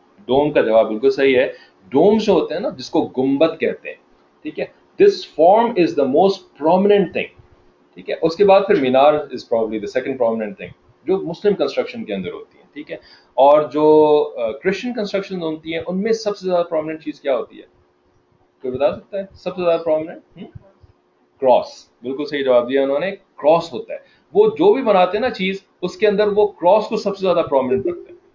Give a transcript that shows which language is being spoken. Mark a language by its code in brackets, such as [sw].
[ur] ڈوم کا جواب بالکل صحیح ہے. ڈوم جو ہوتے ہیں نا, جس کو گنبد کہتے ہیں. ٹھیک ہے, [en] This form is the most prominent thing. [ur] ٹھیک ہے, اس کے بعد پھر مینار [en] Is probably the second prominent thing. [ur] جو مسلم کنسٹرکشن کے اندر ہوتی ہیں, ٹھیک ہے, اور جو کرسچن کنسٹرکشن ہوتی ہیں ان میں سب سے زیادہ پرومیننٹ چیز کیا ہوتی ہے, کوئی بتا سکتا ہے؟ سب سے زیادہ پرومیننٹ کراس. بالکل صحیح جواب دیا انہوں نے, کراس ہوتا ہے. وہ جو بھی بناتے ہیں نا چیز, اس کے اندر وہ کراس کو سب سے زیادہ پرومیننٹ رکھتے ہیں.